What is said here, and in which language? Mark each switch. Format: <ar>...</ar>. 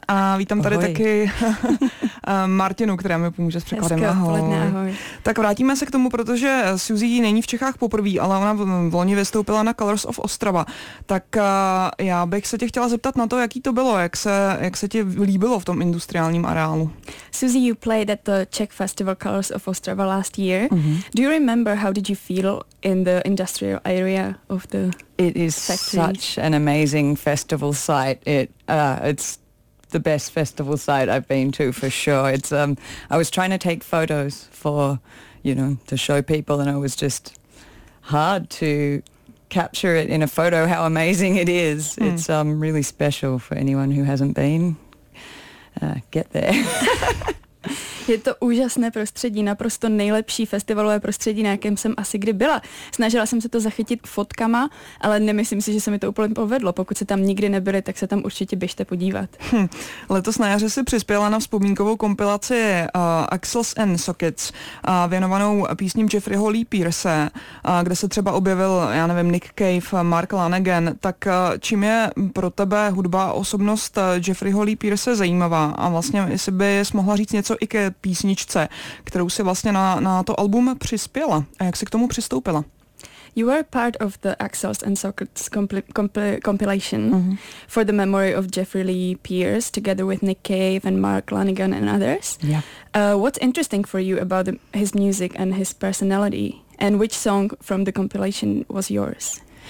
<cs>A vítám tady taky Martinu, která mi pomůže s překladem. Hezké odpoledne, ahoj. Tak vrátíme se k tomu, protože Susie není v Čechách poprvé, ale ona v loni vystoupila na Colors of Ostrava. Tak já bych se tě chtěla zeptat na to, jaký to bylo, jak se ti líbilo v tom industriálním areálu.</cs> <en>Susie, you played at the Czech Festival Colors of Ostrava last year. Mm-hmm. Do you remember how did you feel in the industrial area of the It is factory? Such an amazing festival site. It's the best festival site I've been to for sure. It's I was trying to take photos for, you know, to show people, and it was just hard to capture it in a photo how amazing it is. Mm. It's really special for anyone who hasn't been. Get there.</en> <cs>Je to úžasné prostředí, naprosto nejlepší festivalové prostředí, na jakém jsem asi kdy byla. Snažila jsem se to zachytit fotkama, ale nemyslím si, že se mi to úplně povedlo. Pokud se tam nikdy nebyli, tak se tam určitě běžte podívat. Letos na jaře si přispěla na vzpomínkovou kompilaci Axles and Sockets, věnovanou písním Jeffreyho Lee Pierce, kde se třeba objevil, já nevím, Nick Cave, Mark Lanegan. Tak čím je pro tebe hudba a osobnost Jeffreyho Lee Pierce zajímavá? A vlastně, jestli bys mohla říct něco i ke písničce, kterou si vlastně na to album přispěla. A jak si k tomu přistoupila?</cs> <en>You were part of the Axels and Sockets compilation mm-hmm. for the memory of Jeffrey Lee Pierce together with Nick Cave and Mark Lanegan and others. Yeah. What's interesting for you about his music and his personality? And which song from the compilation was yours?</en>